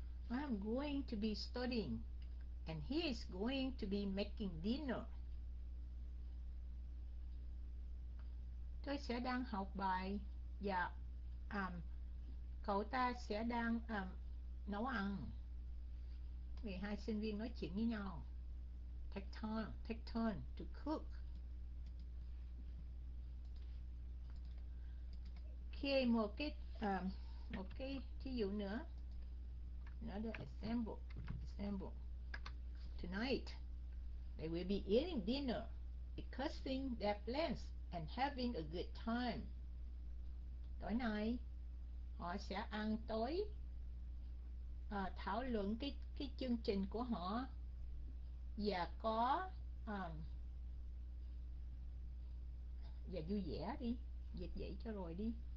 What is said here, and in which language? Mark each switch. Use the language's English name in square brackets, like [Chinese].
[English] I'm going to be studying and he is going to be making dinner. [Vietnamese] Tôi sẽ đang học bài và cậu ta sẽ đang nấu ăn. Vì hai sinh viên nói chuyện với nhau. [English] Take turn to cook. [Vietnamese] Khi một cái thí dụ nữa. [English] Another example. Tonight, they will be eating dinner, discussing their plans and having a good time. [Vietnamese] Tối nay họ sẽ ăn tối, thảo luận cái chương trình của họ và có và vui vẻ đi, dịch vậy cho rồi đi.